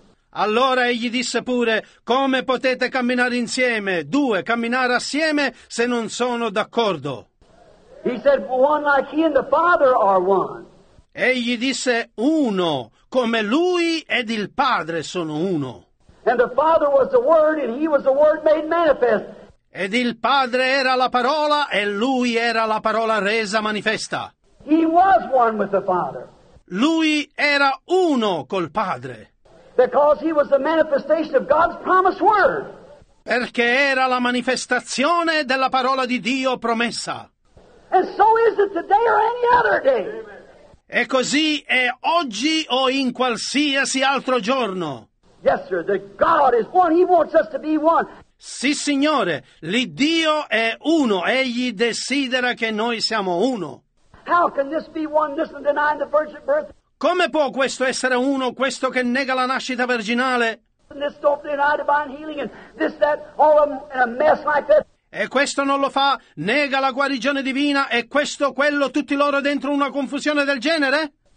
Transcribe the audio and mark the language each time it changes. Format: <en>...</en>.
<it>Allora egli disse pure, come potete camminare insieme, due, camminare assieme se non sono d'accordo?</it> <en>He said, one like he and the Father are one.</en> <it>Egli disse, uno, come lui ed il Padre sono uno.</it> <en>And the Father was the Word, and he was the Word made manifest.</en> <it>Ed il Padre era la parola, e lui era la parola resa manifesta.</it> <en>He was one with the Father.</en> <it>Lui era uno col Padre.</it> <en>Because he was the manifestation of God's promised Word.</en> <it>Perché era la manifestazione della parola di Dio promessa.</it> <en>And so is it today or any other day.</en> <it>E così è oggi o in qualsiasi altro giorno.</it> <en>Yes, sir, the God is one. He wants us to be one.</en> <it>Sì, Signore, l'Iddio è uno. Egli desidera che noi siamo uno.</it> <en>How can this be one, this one denying the virgin birth?</en> <it>Come può questo essere uno, questo che nega la nascita virginale?</it> <en>This don't deny divine healing and this, that, all in a mess like this.</en> <it>E questo non lo fa, nega la guarigione divina, e questo, quello, tutti loro dentro una confusione del genere?</it>